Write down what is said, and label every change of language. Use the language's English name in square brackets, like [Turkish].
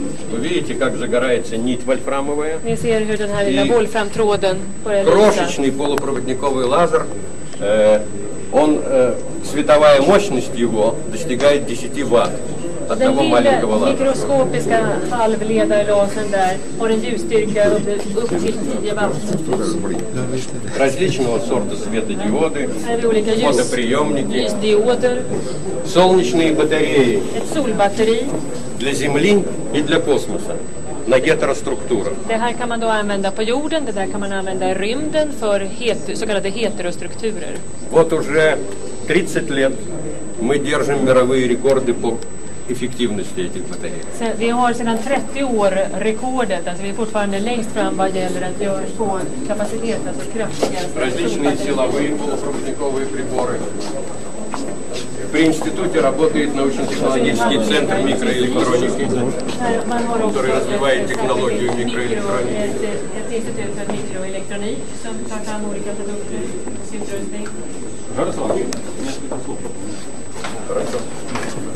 [Russian] Вы видите, как загорается нить вольфрамовая. Крошечный полупроводниковый лазер. Он, световая мощность его достигает 10 ватт. [Swedish] Den lilla mikroskopiska halvledarlasern där har en ljusstyrka upp till 10 watt. [Russian] Различного sorta светодиоды, фотоприемники, ljusdioder, солнечные батареи, [Swedish] ett solbatteri, [Russian] для Земли и для космоса, на гетероструктурах. [Swedish] Det här kan man då använda på jorden, det där kan man använda i rymden för så kallade heterostrukturer. [Russian] Вот уже 30 лет мы держим мировые рекорды по эффективности этих батарей. [Swedish] Vi har sedan 30 år rekordet, alltså vi är fortfarande längst fram vad gäller att göra på kapacitet, alltså kraftigare. [Russian] Различные силовые полупроводниковые приборы. При институте работает научно-технологический центр микроэлектроники, который развивает технологию микроэлектроники.